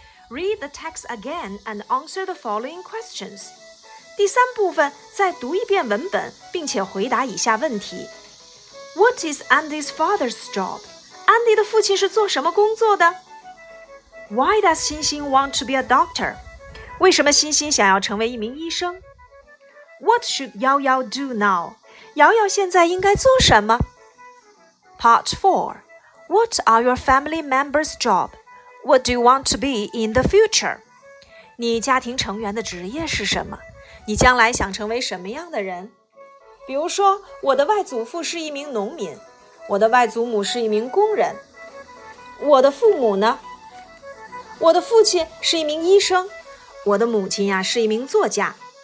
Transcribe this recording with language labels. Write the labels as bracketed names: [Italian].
[English] Read the text again and answer the following questions. [Chinese] 第三部分，再读一遍文本，并且回答以下问题。 [English] What is Andy's father's job? Andy [Chinese] 的父亲是做什么工作的？ [English] Why does 欣欣 want to be a doctor? [Chinese] 为什么欣欣想要成为一名医生？ [English] What should Yao Yao do now? [Chinese] 瑶瑶现在应该做什么？ [English] Part 4. What are your family members' job? What do you want to be in the future? [Chinese] 你家庭成员的职业是什么？你将来想成为什么样的人？比如说，我的外祖父是一名农民，我的外祖母是一名工人。我的父母呢？我的父亲是一名医生，我的母亲呀是一名作家。